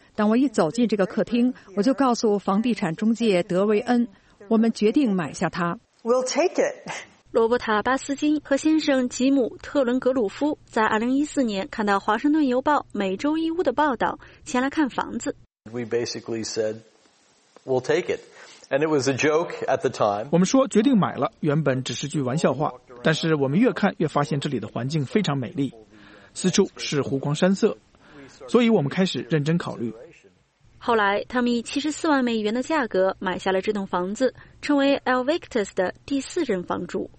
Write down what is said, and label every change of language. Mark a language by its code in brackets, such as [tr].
[zh] 当我一走进这个客厅，我就告诉房地产中介德维恩，我们决定买下它。 [en] We'll take it. [zh] 罗伯塔·巴斯金和先生吉姆·特伦格鲁夫在2014年看到《华盛顿邮报》每周一屋的报道，前来看房子。 [en] We basically said, "We'll take it," and it was a joke at the time. [zh] 我们说决定买了，原本只是句玩笑话，但是我们越看越发现这里的环境非常美丽。四处是湖光山色，所以我们开始认真考虑。后来他们以$74万的价格买下了这栋房子，成为 El Victus 的第四任房主。